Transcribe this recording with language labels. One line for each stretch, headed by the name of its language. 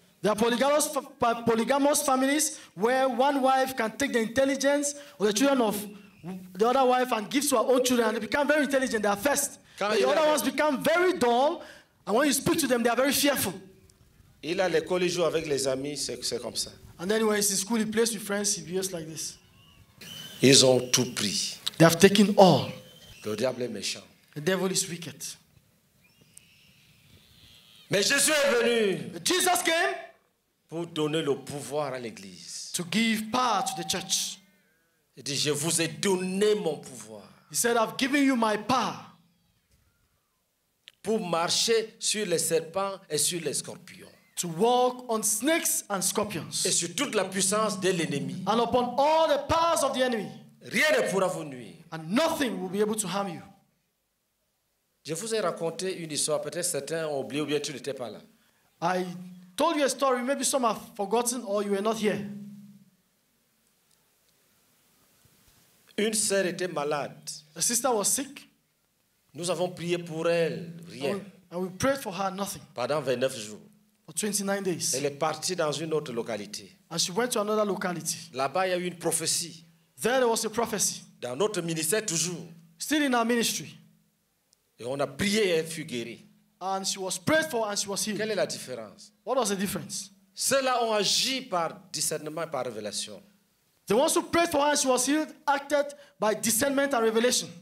English: There are polygamous families where one wife can take the intelligence of the children of the other wife and give to her own children, and they become very intelligent. They are first. The other ones become very dull, and when you speak to them, they are very fearful.
French: Il a l'école, il joue avec les amis, c'est comme ça.
English: And then when he's in school, he plays with friends, he behaves like this.
French: Ils ont tout pris.
English: They have taken all.
French: Le diable est méchant.
English: The devil is wicked.
French: Mais Jésus est venu.
English: Jesus came.
French: Pour donner le pouvoir à l'église.
English: To give power to the church.
French: Il dit, je vous ai donné mon pouvoir.
English: He said, I've given you my power.
French: Pour marcher sur les serpents et sur les scorpions.
English: To walk on snakes and scorpions.
French: Et sur toute la puissance de l'ennemi.
English: And upon all the powers of the enemy.
French: Rien ne pourra vous nuire.
English: And nothing will be able to harm you.
French: Je vous ai raconté une histoire. Peut-être certains ont oublié ou bien tu n'étais pas là.
English: I told you a story. Maybe some have forgotten or you were not here.
French: Une sœur était malade.
English: A sister was sick.
French: Nous avons prié pour elle, rien.
English: And we prayed for her, nothing.
French: Pendant 29 jours.
English: For 29 days.
French: Elle est partie dans une autre localité.
English: And she went to another locality.
French: Là-bas, il y a eu une prophétie.
English: There, there was a prophecy.
French: Dans notre ministère, toujours.
English: Still in our ministry.
French: Et on a prié et elle fut guérie.
English: And she was prayed for and she was healed.
French: Quelle est la différence?
English: What was the difference?
French: Ceux-là ont agi par discernement et par révélation.
English: The ones who prayed for her and she was healed acted by discernment and revelation.